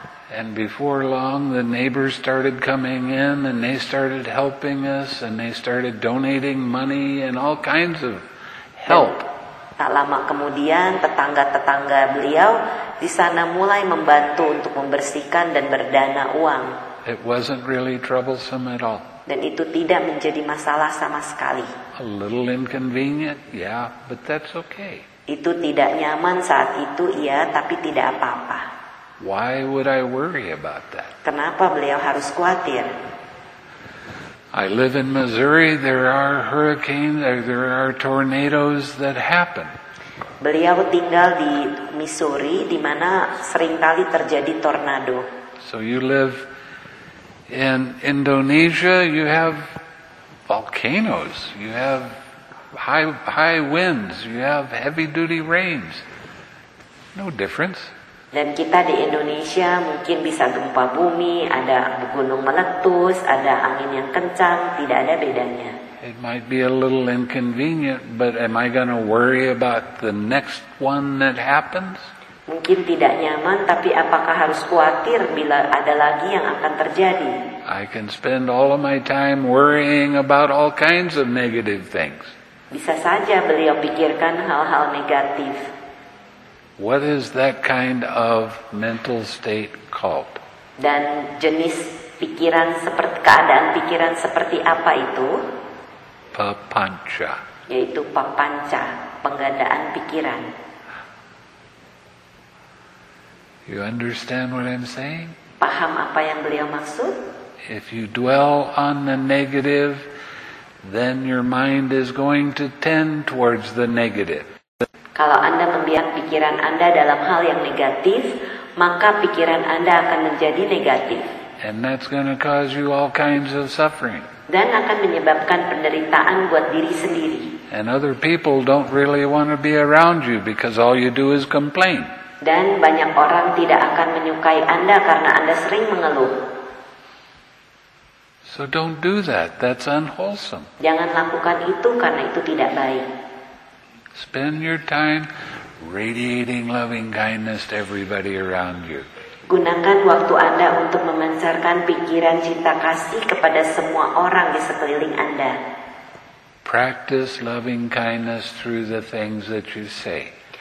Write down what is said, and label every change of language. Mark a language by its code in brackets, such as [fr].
[en] And before long, the neighbors started coming in, and they started helping us, and they started donating money and all kinds of help. [id] Tak lama kemudian, tetangga-tetangga beliau di sana mulai membantu untuk membersihkan dan berdana uang. [en] It wasn't really troublesome at all. [id] Dan itu tidak menjadi masalah sama sekali. [en] A little inconvenient, yeah, but that's okay. [id] Itu tidak nyaman saat itu, iya, tapi tidak apa-apa. [en] Why would I worry about that? [id] Kenapa beliau harus khawatir? [en] I live in Missouri. There are hurricanes. There are tornadoes that happen. [id] Beliau tinggal di Missouri, di mana seringkali terjadi tornado. [en] So you live in Indonesia. You have volcanoes. You have high winds. You have heavy duty rains. No difference. [id] Dan kita di Indonesia mungkin bisa gempa bumi, ada gunung meletus, ada angin yang kencang, tidak ada bedanya. [en] It might be a little inconvenient, but am I going to worry about the next one that happens? [id] Mungkin tidak nyaman, tapi apakah harus khawatir bila ada lagi yang akan terjadi? [en] I can spend all of my time worrying about all kinds of negative things. [id] Bisa saja beliau pikirkan hal-hal negatif. [en] What is that kind of mental state called? [id] Dan jenis pikiran seperti keadaan pikiran seperti apa itu? [pi] Papancha. [id] Yaitu papancha, penggandaan pikiran. [en] You understand what I'm saying? [id] Paham apa yang beliau maksud? [en] If you dwell on the negative, then your mind is going to tend towards the negative. [id] Kalau Anda membiarkan pikiran Anda dalam hal yang negatif, maka pikiran Anda akan menjadi negatif. [en] And that's going to cause you all kinds of suffering. [id] Dan akan menyebabkan penderitaan buat diri sendiri. [en] And other people don't really want to be around you because all you do is complain. [id] Dan banyak orang tidak akan menyukai Anda karena Anda sering mengeluh. [en] So don't do that. That's unwholesome. [id] Jangan lakukan itu karena itu tidak baik. [en] Spend your time radiating loving kindness to everybody around you. [id] Gunakan waktu Anda untuk memancarkan pikiran cinta kasih kepada semua orang di sekeliling Anda. [en] Practice loving kindness through the things that you say.